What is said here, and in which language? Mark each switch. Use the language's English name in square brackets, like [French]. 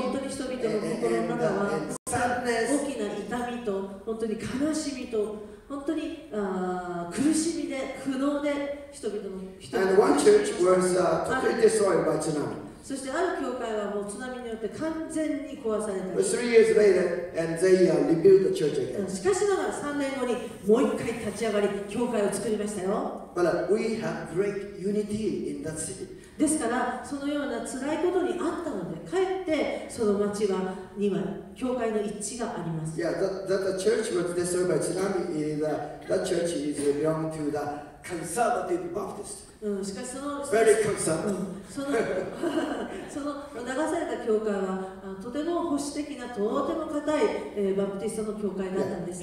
[Japanese] 本当に人々の心の中は大きな痛みと本当に悲しみと本当に苦しみで苦悩で人々の。そしてある教会はもう津波によって完全に壊されたり。 [English] Three years later, and they rebuilt the church again. [Japanese] しかしながら3年後にもう一回立ち上がり教会を作りましたよ。 [English] But we have great unity in that city. [Japanese] ですからそのような辛いことにあったので、かえってその町はには教会の一致があります。 [English] Yeah, that church was destroyed by tsunami. That church is belong to the conservative Baptist. [Japanese] しかしその、 [English] Very concerned. [Japanese] その流された教会はとても保守的なとても固い、バプティストの教会だったんです